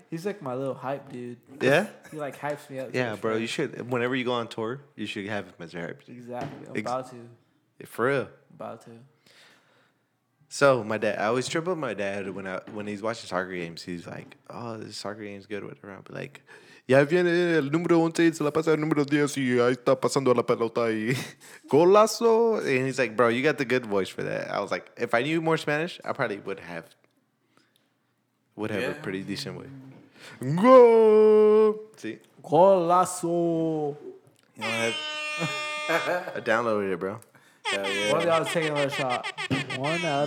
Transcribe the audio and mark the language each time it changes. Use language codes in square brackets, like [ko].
[en] He's like my little hype dude. Yeah? He like hypes me up. Yeah, bro. You should, whenever you go on tour, you should have him as your hype. Exactly. I'm about to. For real. About to. So my dad, I always trip up my dad when he's watching soccer games. He's like, oh, this soccer game's good, whatever. [es] I'll be like, ya viene el número 11, se la pasa el número 10, y ahí está pasando la pelota y golazo. [en] And he's like, bro, you got the good voice for that. I was like, if I knew more Spanish, I probably would have a pretty decent way. Go! See? [es] Golazo. [en] I downloaded it, bro. One of y'all is taking another shot. One out of